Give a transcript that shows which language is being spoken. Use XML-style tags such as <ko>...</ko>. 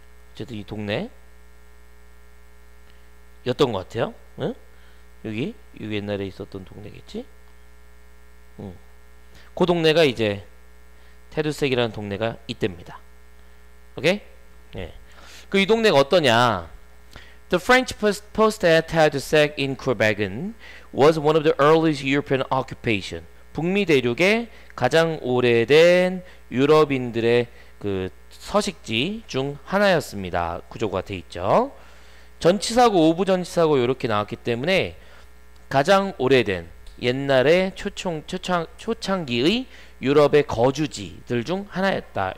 <ko>어쨌든 이 동네였던 것 같아요. 응? 여기 옛날에 있었던 동네겠지? 응. 그 동네가 이제 테두색이라는 동네가 있답니다. 오케이? 네. 그 이 동네가 어떠냐?</ko> <en>The French post at Tadoussac in Quebec was one of the earliest European occupation.</en> <ko>북미 대륙의 가장 오래된 유럽인들의 그 서식지 중 하나였습니다. 구조가 돼 있죠. 전치사고, 오부 전치사고 이렇게 나왔기 때문에 가장 오래된 옛날의 초창기의 유럽의 거주지들 중 하나였다.</ko>